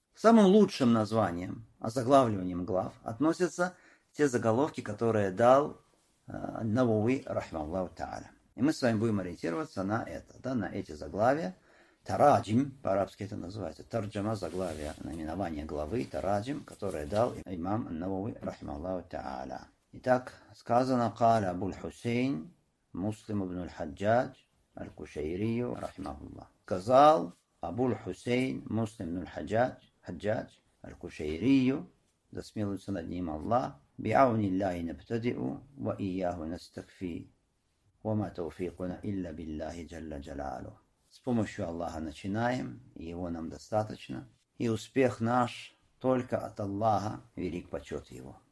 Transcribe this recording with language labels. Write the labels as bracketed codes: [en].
[ru] Самым лучшим названием, озаглавливанием глав, относятся те заголовки, которые дал Навови, рахимахуллаху тааля. И мы с вами будем ориентироваться на это, да, на эти заглавия. Тараджим, по-арабски это называется, тарджама, заглавие, наименование главы, тараджим, которое дал имам Ан-Навави, рахимахуллаху тааля. Итак, сказано, [ar] قال أبو الحسين مسلم بن الحجاج الكشيري رحمه الله. [ru] Сказал Абу аль-Хусейн, Муслим бин аль-Хаджадж, Хаджадж аль-Кушайри, да смилуется над ним Аллах, [ar] بعون الله نبتدئ وإياه نستكفي وما توفيقنا إلا بالله جل جلاله. [ru] С помощью Аллаха начинаем, и его нам достаточно, и успех наш только от Аллаха, велик почет его.